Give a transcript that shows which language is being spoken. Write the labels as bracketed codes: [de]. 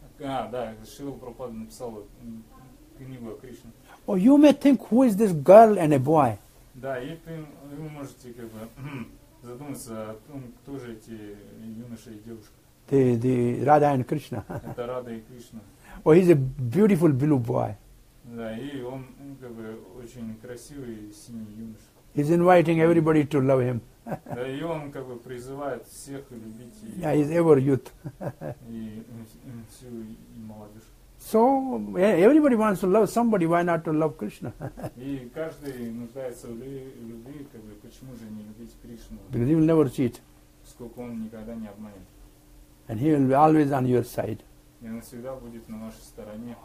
[ru] Да, Шрила Прабхупада написал книгу о Кришне. [en] Oh, you may think who is this girl and a boy? [ru] Да, и вы можете как бы задуматься о том, кто же эти юноша и девушка. [en] the Radha and Krishna. [ru] Это Радха и Кришна. [en] Oh, he's a beautiful blue boy. [ru] Да, и он как бы очень красивый синий юноша. [en] He's inviting everybody to love him. [ru] Да, и он как бы призывает всех любить его. [en] Yeah, he's ever youth. [ru] И всю и молодежь. [en] So everybody wants to love somebody. Why not to love Krishna? [ru] И каждый нуждается в любви, как бы почему же не любить Кришну? [en] Because he will never cheat. [ru] Сколько он никогда не обманет. [en] And he will be always on your side. [ru] И он всегда будет на вашей стороне.